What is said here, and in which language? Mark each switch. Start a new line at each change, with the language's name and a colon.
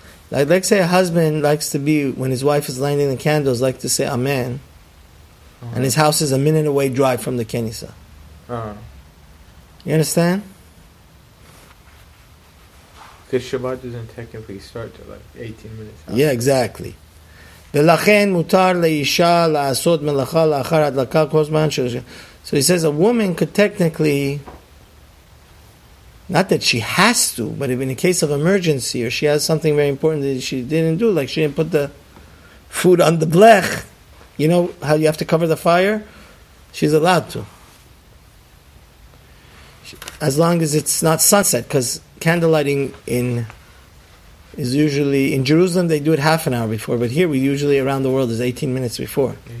English: Like, let's say a husband likes to be, when his wife is lighting the candles, like to say amen. Uh-huh. And his house is a minute away drive from the kenisa. Uh-huh. You understand? Because Shabbat doesn't technically start till like 18 minutes after. Yeah, exactly.
Hebrew: ולכן מותר לאישה לעשות מלאכה לאחר הדלקה כל זמן שלושה.
English: So he says a woman could technically not that she has to, but if in a case of emergency or she has something very important that she didn't do, like she didn't put the food on the blech, you know how you have to cover the fire? She's allowed to. As long as it's not sunset, because candlelighting is usually, in Jerusalem they do it half an hour before, but here we usually around the world is 18 minutes before.